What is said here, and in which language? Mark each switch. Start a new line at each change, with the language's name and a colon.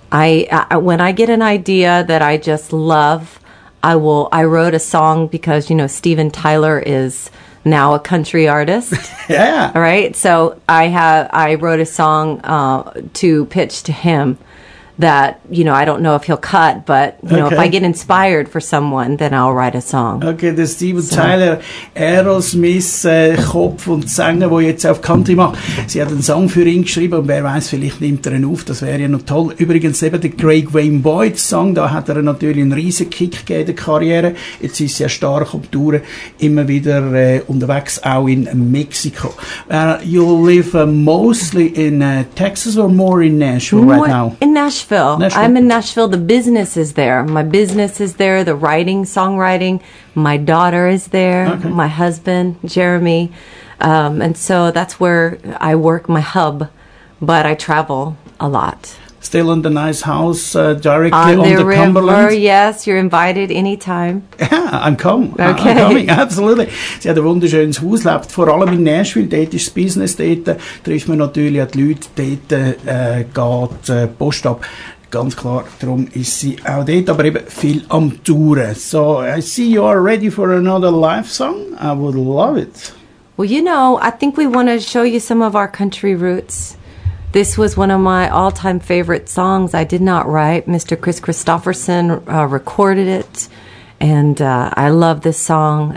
English: I when I get an idea that I just love, I wrote a song because, Steven Tyler is now a country artist. Yeah. All right. So I wrote a song to pitch to him that, I don't know if he'll cut, but, if I get inspired for someone, then I'll write a song.
German: Okay, der Steven Tyler, Aerosmiths Kopf und Sänger, der jetzt auf Country macht. Sie hat einen Song für ihn geschrieben und wer weiß, vielleicht nimmt er ihn auf, das wäre ja noch toll. Übrigens eben der Craig Wayne Boyd Song, da hat er natürlich einen riesen Kick gegeben in der Karriere. Jetzt ist er stark auf Touren, immer wieder unterwegs, auch in Mexiko.
English: You live mostly in Texas or more in Nashville right now? Nashville. I'm in Nashville. The business is there. My business is there. The writing, songwriting. My daughter is there. Okay. My husband, Jeremy. And so that's where I work, my hub. But I travel a lot. Still in the nice house directly on the river, Cumberland. Yes, you're invited anytime. Yeah, I'm coming. Okay. I'm coming, absolutely.
German: Sie hat ein wunderschönes Haus, lebt vor allem in Nashville, dort ist das Business, dort trifft man natürlich auch die Leute, dort geht Post ab. Ganz klar, darum ist sie auch dort, aber eben viel am Touren.
English: So, I see you are ready for another live song. I would love it. Well, I think we want to show you some of our country roots. This was one of my all-time favorite songs. I did not write. Mr. Kris Kristofferson recorded it. And I love this song.